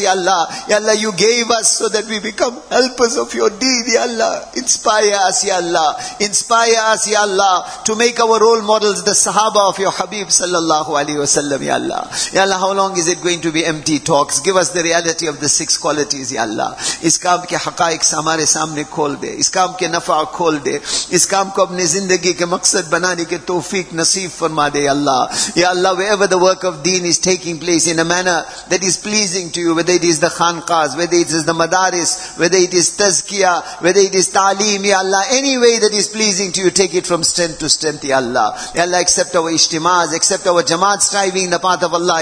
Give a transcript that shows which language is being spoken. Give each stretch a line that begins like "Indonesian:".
English: Ya Allah, Ya Allah, you gave us so that we become helpers of your deed. Ya Allah, inspire us. Ya Allah, inspire us. Ya Allah, to make our role models the sahaba of your Habib sallallahu alaihi wasallam. Ya Allah, Ya Allah, how long is it going to be empty talks? Give us the reality of the six qualities.
Urdu: Ya Allah, is kaam ke haqaiq ہمارے سامنے کھول دے, اس کام کے نفع کھول دے, اس کام کو اپنی زندگی کے مقصد بنانے کے توفیق نصیب فرما دے.
English: یا اللہ, یا اللہ, wherever the work of deen is taking place in a manner that is pleasing to you, whether it is the khanqahs, whether it is the madaris, whether it is tazkiya, whether it is taaleem, ya Allah, any way that is pleasing to you, take it from strength to strength. Ya Allah, ya Allah, accept our ijtimaz, accept our jamaat striving in the path of Allah.